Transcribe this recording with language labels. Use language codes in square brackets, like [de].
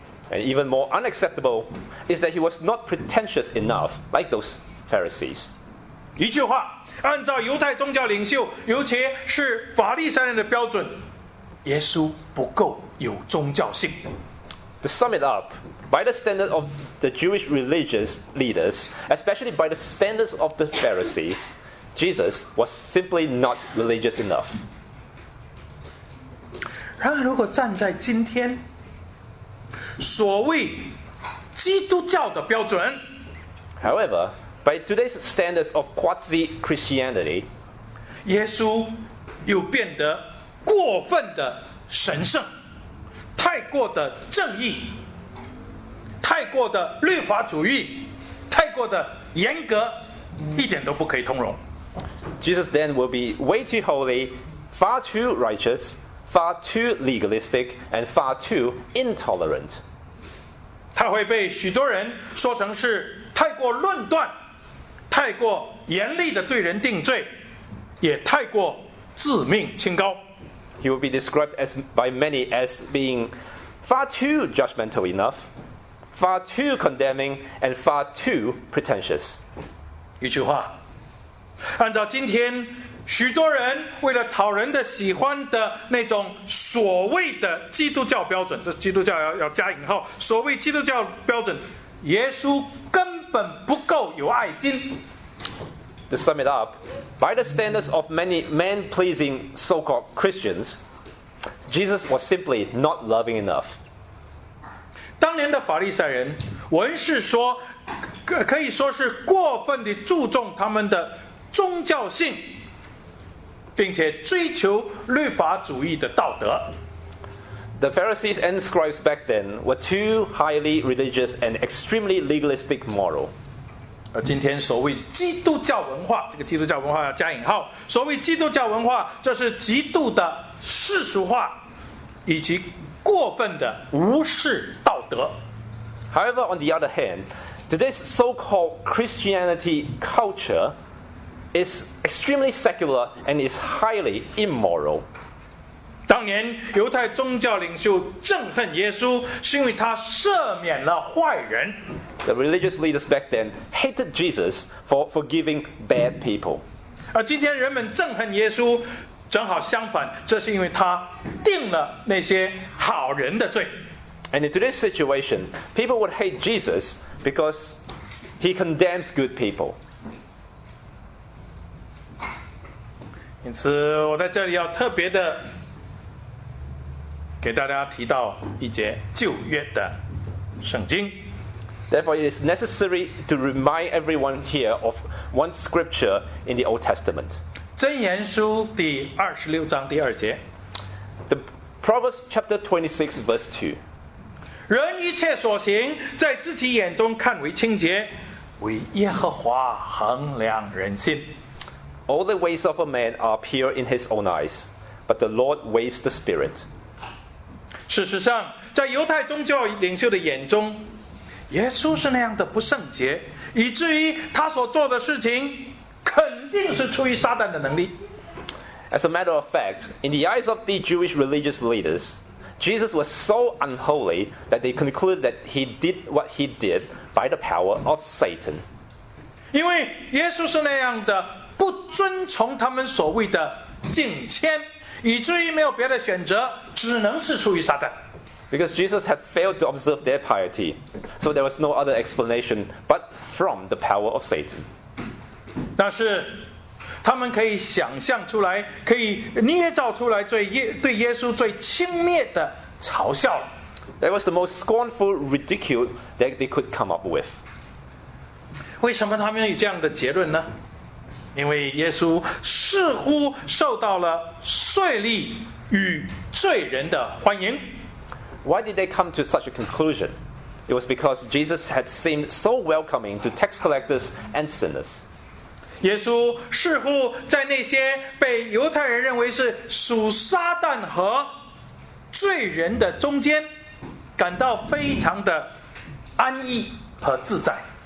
[en] And even more unacceptable is that he was not pretentious enough like those Pharisees. [zh] 一句话，按照犹太宗教领袖，尤其是法利赛人的标准，耶稣不够有宗教性。 [en] To sum it up, by the standard of the Jewish religious leaders, especially by the standards of the Pharisees, Jesus was simply not religious enough. [zh] 然而如果站在今天所谓基督教的标准， [en] However, by today's standards of quasi Christianity, [zh] 耶稣又变得过分的神圣，太过的正义，太过的律法主义，太过的严格，一点都不可以通融。 [en] Jesus then will be way too holy, far too righteous, far too legalistic, and far too intolerant. [zh] 他会被许多人说成是太过论断，太过严厉的对人定罪，也太过自命清高。 [en] He will be described as, by many as being far too judgmental enough, far too condemning, and far too pretentious. [zh] 一句话，按照今天许多人为了讨人的喜欢的那种所谓的基督教标准，这基督教 要加引号，所谓基督教标准，耶稣根本不够有爱心。 [en] To sum it up, by the standards of many man-pleasing so-called Christians, Jesus was simply not loving enough. [zh] 当年的法利赛人，文士说，可以说是过分地注重他们的宗教性，并且追求律法主义的道德。 [en] The Pharisees and scribes back then were too highly religious and extremely legalistic moral. [zh] 而今天所谓基督教文化，这个基督教文化要加引号，所谓基督教文化，这是极度的世俗化，以及过分的无视道德。 [en] However, on the other hand, today's so-called Christianity culture is extremely secular and is highly immoral. [zh] 当年犹太宗教领袖憎恨耶稣，是因为他赦免了坏人。 [en] The religious leaders back then hated Jesus for forgiving bad people. [zh] 而今天人们憎恨耶稣，正好相反，这是因为他定了那些好人的罪。 [en] And in today's situation, people would hate Jesus because he condemns good people. [zh] 因此，我在这里要特别的。给大家提到一节旧约的圣经。 [en] Therefore, it is necessary to remind everyone here of one scripture in the Old Testament. [zh] 箴言书第二十六章第二节。 [en] The Proverbs chapter 26 verse 2. [zh] 人一切所行，在自己眼中看为清洁，为耶和华衡量人心。 [en] All the ways of a man are pure in his own eyes, but the Lord weighs the spirit. [zh] 事实上，在犹太宗教领袖的眼中，耶稣是那样的不圣洁，以至于他所做的事情肯定是出于撒旦的能力。 [en] As a matter of fact, in the eyes of the Jewish religious leaders, Jesus was so unholy that they concluded that he did what he did by the power of Satan. [zh] 因为耶稣是那样的不遵从他们所谓的敬虔。以至于没有别的选择，只能是出于撒旦。 [en] Because Jesus had failed to observe their piety, so there was no other explanation but from the power of Satan. [zh] 但是，他们可以想象出来，可以捏造出来对耶稣最轻蔑的嘲笑。 [en] That was the most scornful ridicule that they could come up with. [zh] 为什么他们有这样的结论呢？因为耶稣似乎受到了税吏与罪人的欢迎。 [en] Why did they come to such a conclusion? It was because Jesus had seemed so welcoming to tax collectors and sinners. [zh] 耶稣似乎在那些被犹太人认为是属撒旦和罪人的中间，感到非常的安逸和自在。